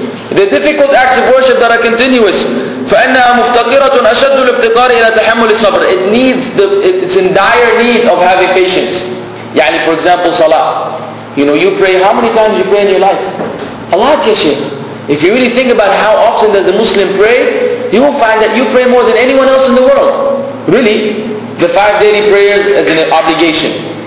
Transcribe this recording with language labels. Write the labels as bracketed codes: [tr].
[en] The difficult acts of worship that are continuous. [ar] فإنها مفتقرة أشد الافتقار إلى تحمل الصبر. [en] It needs it's in dire need of having patience. يعني for example صلاة. You know, you pray, how many times you pray in your life? A lot, Yashin. If you really think about how often does a Muslim pray, you will find that you pray more than anyone else in the world. Really, the five daily prayers is an obligation.